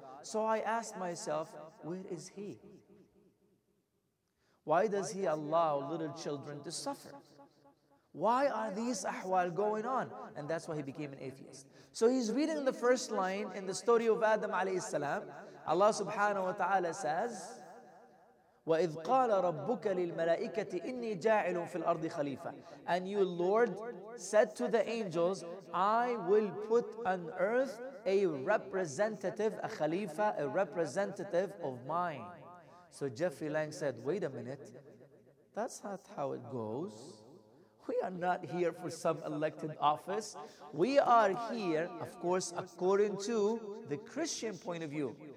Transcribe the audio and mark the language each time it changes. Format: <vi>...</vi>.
<en>So I asked myself, where is he? Why does he allow little children to suffer? Why are these ahwal going on? And that's why he became an atheist. So he's reading the first line in the story of Adam alayhi salam. Allah subhanahu wa ta'ala says,</en> <ar>وَإِذْ قَالَ رَبُّكَ لِلْمَلَائِكَةِ إِنِّي جَاعِلٌ فِي الْأَرْضِ خَلِيفَةً.</ar> <en>And your Lord said to the angels, I will put on earth a representative, a khalifa, a representative of mine. So Jeffrey Lang said, wait a minute, that's not how it goes. We are not here for some elected office. We are here, of course, according to the Christian point of view.</en>